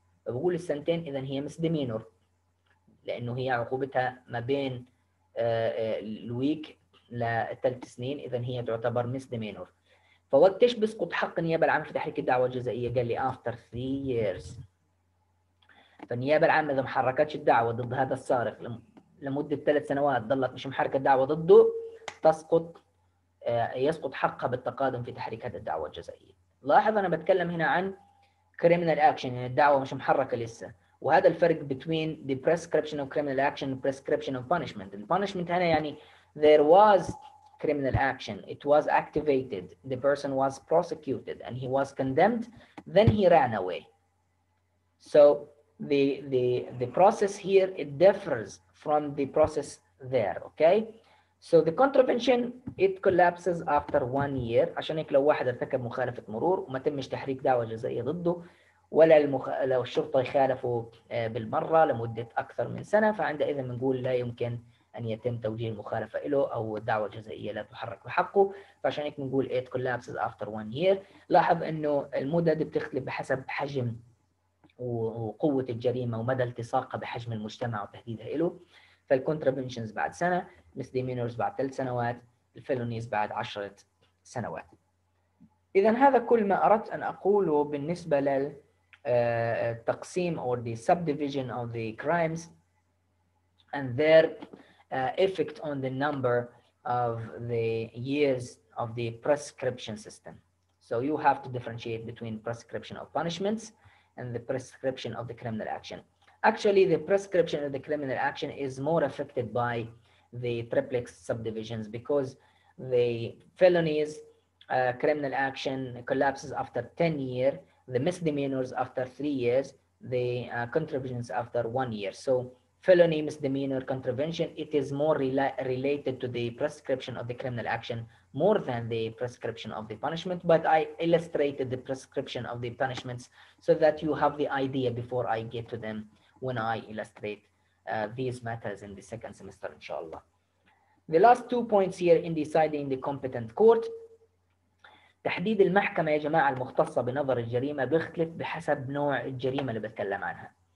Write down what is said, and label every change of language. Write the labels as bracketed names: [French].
[Arabic] بقول السنتين اذا هي مسديمينور لانه هي عقوبتها ما بين الويك لثلاث سنين اذا هي تعتبر مسديمينور فوقت ايش بسقط حق النيابه العامه في تحريك الدعوه الجزائيه؟ قال لي افتر [English] 3 years [Arabic] فالنيابه العامه اذا ما حركتش الدعوه ضد هذا السارق لمده ثلاث سنوات ظلت مش محركه الدعوه ضده تسقط يسقط حقها بالتقادم في تحريك هذه الدعوه الجزائيه. لاحظ انا بتكلم هنا عن criminal action يعني الدعوة مش محركة لسه وهذا الفرق [English] between the prescription of criminal action and prescription of punishment. The punishment [Arabic] هنا يعني [English] there was criminal action, it was activated, the person was prosecuted and he was condemned, then he ran away. So the process here it differs from the process there, okay? So the contravention it collapses after one year [Arabic] عشان هيك لو واحد ارتكب مخالفة مرور وما تمش تحريك دعوة جزائية ضده ولا لو الشرطة يخالفوا بالمرة لمدة أكثر من سنة فعندئذ بنقول لا يمكن أن يتم توجيه المخالفة له أو الدعوة الجزائية لا تحرك بحقه فعشان هيك بنقول [English] it collapses after one year. [Arabic] لاحظ إنه المدد بتختلف بحسب حجم وقوة الجريمة ومدى التصاقها بحجم المجتمع وتهديدها له فالcontraventions بعد سنة misdemeanors بعد ثلاث سنوات الفيلونيز بعد عشرة سنوات. إذا هذا كل ما أردت أن أقوله بالنسبة للتقسيم [English] or the subdivision of the crimes and their effect on the number of the years of the prescription system. So you have to differentiate between prescription of punishments and the prescription of the criminal action. Actually, the prescription of the criminal action is more affected by the triplex subdivisions because the felonies criminal action collapses after 10 years, the misdemeanors after 3 years, the contraventions after 1 year. So Felony, misdemeanor, contravention, it is more related to the prescription of the criminal action more than the prescription of the punishment. But I illustrated the prescription of the punishments so that you have the idea before I get to them when I illustrate these matters in the second semester, inshallah. The last 2 points here in deciding the competent court. [Arabic] تحديد المحكمة يا جماعة المختصة بنظر الجريمة بيختلف بحسب نوع الجريمة اللي بتكلم عنها.